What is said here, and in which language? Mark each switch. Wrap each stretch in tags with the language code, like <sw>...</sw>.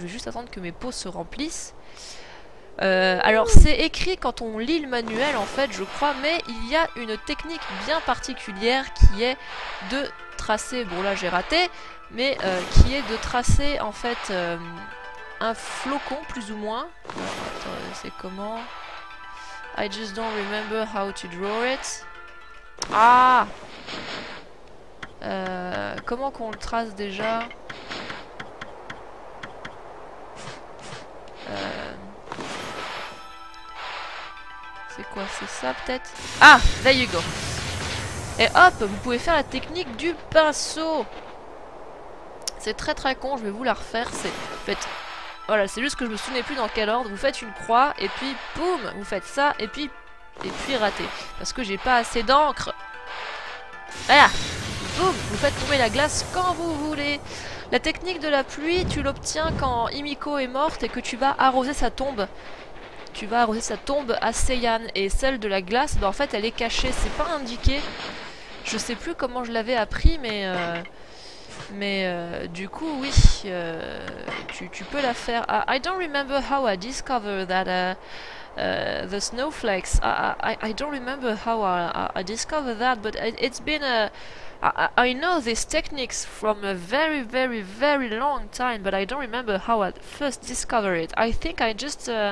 <fr>Je vais juste attendre que mes pots se remplissent. Alors c'est écrit quand on lit le manuel en fait, je crois, mais il y a une technique bien particulière qui est de tracer, bon là j'ai raté, mais qui est de tracer en fait un flocon plus ou moins. Attends, c'est comment ?</fr> <en>I just don't remember how to draw it. Ah !</en> <fr>Comment qu'on le trace déjà ? C'est quoi, c'est ça peut-être ? Ah !</fr> <en>There you go !</en> <fr>Et hop, vous pouvez faire la technique du pinceau ! C'est très très con, je vais vous la refaire. C'est... En fait, voilà, c'est juste que je me souvenais plus dans quel ordre. Vous faites une croix, et puis boum, vous faites ça, et puis raté. Parce que j'ai pas assez d'encre. Voilà. Boum, vous faites tomber la glace quand vous voulez. La technique de la pluie, tu l'obtiens quand Himiko est morte et que tu vas arroser sa tombe. Tu vas arroser sa tombe à Seiyan. Et celle de la glace, ben, en fait, elle est cachée. C'est pas indiqué. Je sais plus comment je l'avais appris, mais... Mais du coup, oui, tu peux la faire.</fr> <en>I don't remember how I discovered that the snowflakes. I don't remember how I discovered that, but it's been a... I know these techniques from a very, very, very long time, but I don't remember how I first discovered it. I think I just...</en>